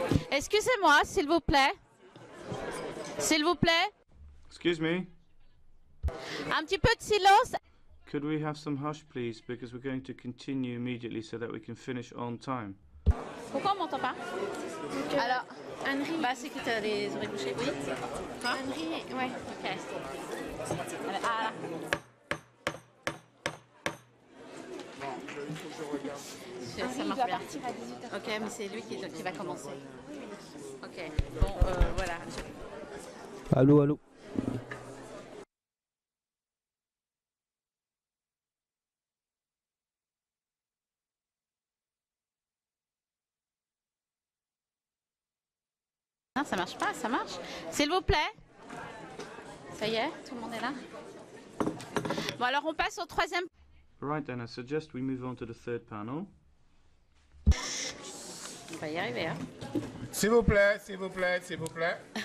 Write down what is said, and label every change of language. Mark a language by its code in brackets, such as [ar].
[fr] Excusez-moi, s'il vous plaît. S'il vous plaît. [en] Excuse me. [fr] Un petit peu de silence. [en] Could we have some hush, please, because we're going to continue immediately so that we can finish on time. [fr] Pourquoi on m'entend pas? Alors, Henri, bah c'est que t'as les oreilles bouchées, oui. Henri, ouais, ok. Alors, ah là. Henri, il doit partir à 18h30. Ok, mais c'est lui qui va commencer. Ok, bon, voilà. Allô, allô. Non, ça marche pas, ça marche. S'il vous plaît. Ça y est, tout le monde est là. Bon, alors on passe au troisième. [en] Right then, I suggest we move on to the third panel. [fr] On va y arriver, hein. S'il vous plaît, s'il vous plaît, s'il vous plaît.